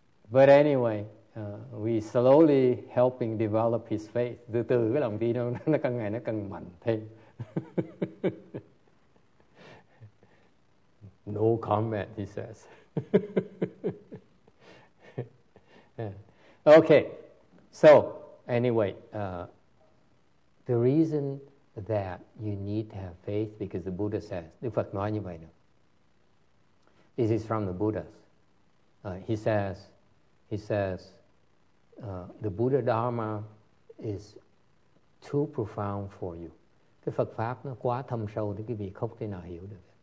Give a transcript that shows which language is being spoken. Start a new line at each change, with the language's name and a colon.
English: But anyway, we slowly helping develop his faith.
Vietnamese: Từ từ cái lòng tin nó càng ngày nó càng mạnh thêm.
English: No comment, he says. Okay, so anyway, the reason that you need to have faith, because the Buddha says,
Vietnamese: Đức Phật nói như vậy nữa.
English: This is from the Buddhas. He says, the Buddha Dharma is too profound for you.
Vietnamese: Cái Phật pháp nó quá thâm sâu thì quý vị không thể nào hiểu được.